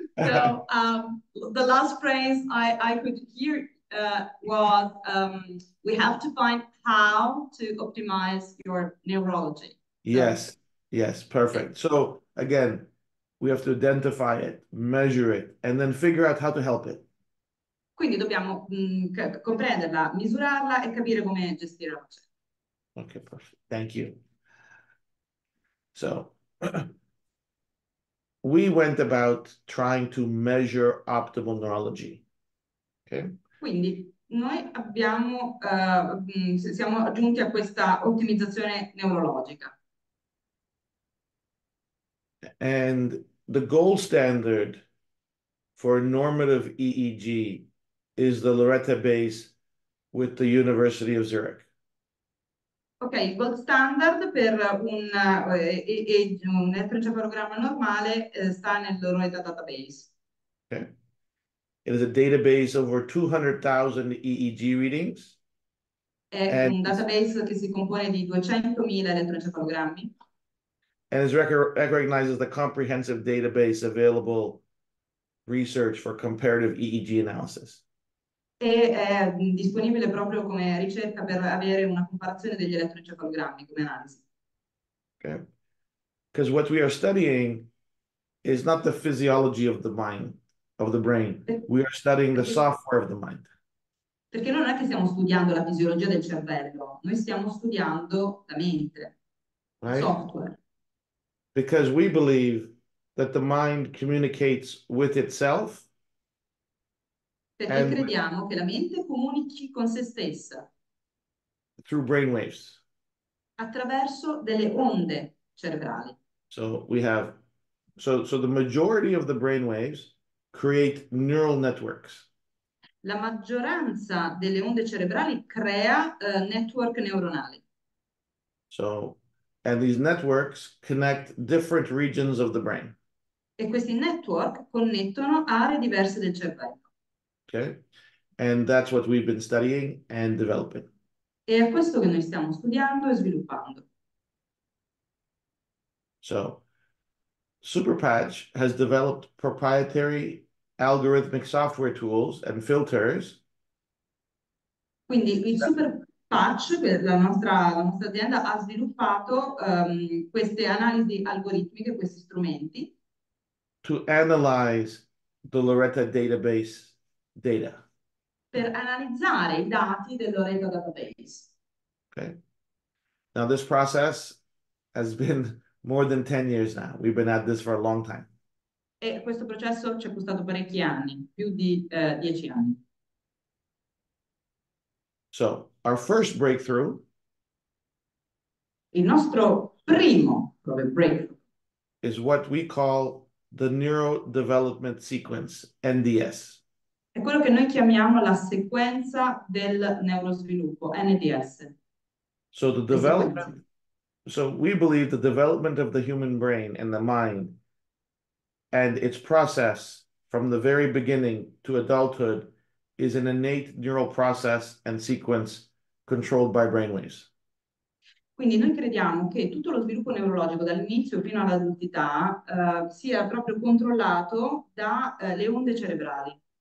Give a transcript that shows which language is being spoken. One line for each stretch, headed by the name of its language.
English: So the last phrase I could hear was we have to find how to optimize your neurology. Yes, perfect. So again, we have to identify it, measure it, and then figure out how to help it.
Italian: Quindi dobbiamo comprenderla, misurarla e capire come gestirla.
English: Okay, perfect. Thank you. So we went about trying to measure optimal neurology. Okay.
Italian: Quindi noi abbiamo siamo giunti a questa ottimizzazione neurologica.
English: And the gold standard for normative EEG is the Loretta base with the University of Zurich.
Italian: Ok, il gold standard per un elettroencefalogramma normale sta nel Loretta database.
English: Okay. It is a database over 200,000 EEG readings.
Italian: È
English: and
Italian: un database che si compone di 200,000 elettroencefalogrammi.
English: And it recognizes the comprehensive database available research for comparative EEG analysis.
Italian: E è disponibile proprio come ricerca per avere una comparazione degli elettroencefalogrammi come analisi.
English: Okay. Because what we are studying is not the physiology of the mind, of the brain. We are studying the software of the mind.
Italian: Perché non è che stiamo studiando la fisiologia del cervello, noi stiamo studiando la mente,
English: right? Software. Because we believe that the mind communicates with itself.
Italian: Perché crediamo che la mente comunichi con se stessa.
English: Through brainwaves.
Italian: Attraverso delle onde cerebrali.
English: So the majority of the brainwaves create neural networks.
Italian: La maggioranza delle onde cerebrali crea network neuronali.
English: So, and these networks connect different regions of the brain.
Italian: E questi network connettono aree diverse del cervello.
English: Okay. And that's what we've been studying and developing.
Italian: E è questo che noi stiamo studiando e sviluppando.
English: So, SuperPatch has developed proprietary algorithmic software tools and filters.
Italian: Quindi il super Patch, la nostra azienda, ha sviluppato queste analisi algoritmiche, questi strumenti.
English: To analyze the Loretta database data.
Italian: Per analizzare i dati del Loretta database.
English: Okay. Now this process has been more than 10 years now. We've been at this for a long time.
Italian: E questo processo ci è costato parecchi anni, più di 10 anni.
English: So, our first breakthrough.
Italian: Il nostro primo breakthrough
English: is what we call the neurodevelopment sequence, NDS.
Italian: È quello che noi chiamiamo la sequenza del neurosviluppo, NDS.
English: So the development. So we believe the development of the human brain and the mind and its process from the very beginning to adulthood is an innate neural process and sequence controlled by brainwaves.
Italian: Quindi noi crediamo che tutto lo sviluppo neurologico dall'inizio fino all'adultità sia proprio controllato dalle onde cerebrali.